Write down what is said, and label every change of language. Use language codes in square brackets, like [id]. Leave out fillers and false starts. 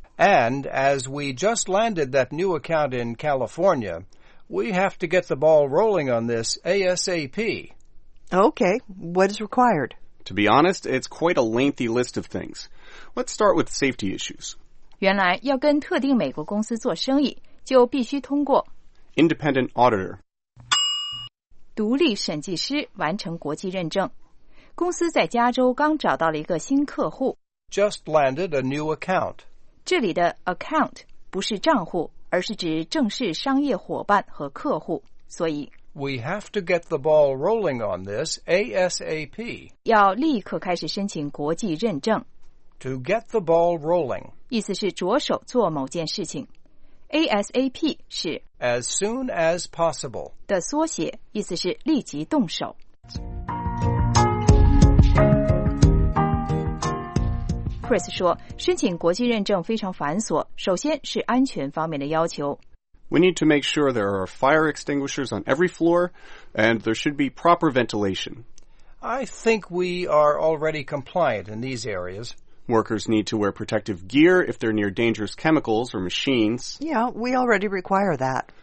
[en] And as we just landed that new account in California, we have to get the ball rolling on this ASAP. Okay, what is required? To be honest, it's quite a lengthy list of things. Let's start with safety issues. [zh] 原来要跟特定美国公司做生意，就必须通过 [en] Independent Auditor [zh] 独立审计师完成国际认证。公司在加州刚找到了一个新客户 [en] Just landed a new account. [zh] 这里的 account 不是账户，而是指正式商业伙伴和客户，所以 [en] We have to get the ball rolling on this ASAP. [zh] 要立刻开始申请国际认证。 [en] To get the ball rolling. [zh] 意思是着手做某件事情。 ASAP 是 [en] As soon as possible. [zh] 的缩写，意思是立即动手。 Chris 说，申请国际认证非常繁琐，首先是安全方面的要求。 [en] We need to make sure there are fire extinguishers on every floor, and there should be proper ventilation. I think we are already compliant in these areas. Workers need to wear protective gear if they're near dangerous chemicals or machines. Yeah, we already require that.